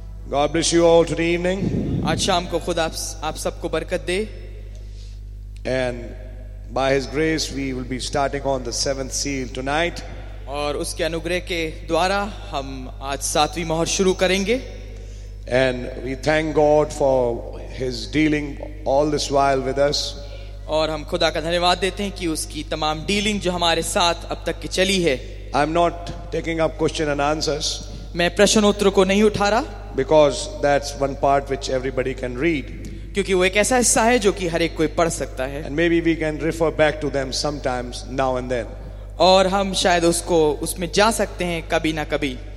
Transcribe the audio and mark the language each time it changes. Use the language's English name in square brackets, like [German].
[English] God bless you all today evening. [Hindi] आज शाम को खुद आप सबको बरकत दे. [English] And by His grace, we will be starting on the seventh seal tonight. [Hindi] और उसके अनुग्रह के द्वारा हम आज सातवीं मोहर शुरू करेंगे. [English] And we thank God for His dealing all this while with us. [Hindi] और हम खुदा का धन्यवाद देते हैं कि उसकी तमाम डीलिंग जो हमारे साथ अब तक की चली है. [English] I'm not taking up question and answers. [Hindi] मैं प्रश्नोत्तर को नहीं उठा रहा. [English] Because that's one part which everybody can read. [Hindi] क्योंकि वो एक ऐसा हिस्सा है जो कि हर एक कोई पढ़ सकता है. [English] And maybe we can refer back to them sometimes now and then. [Hindi] और हम शायद उसको उसमें जा सकते हैं कभी ना कभी.